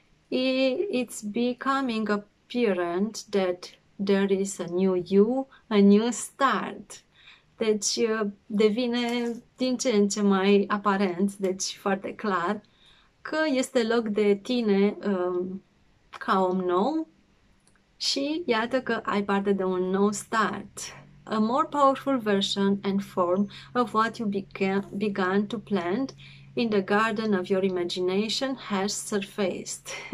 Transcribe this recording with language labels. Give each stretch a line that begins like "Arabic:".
English: It's becoming apparent that there is a new you, a new start.
Romanian: Deci devine din ce în ce mai aparent, deci foarte clar, că este loc de tine ca om nou și iată că ai parte de un nou start.
English: A more powerful version and form of what you began to plant in the garden of your imagination has surfaced.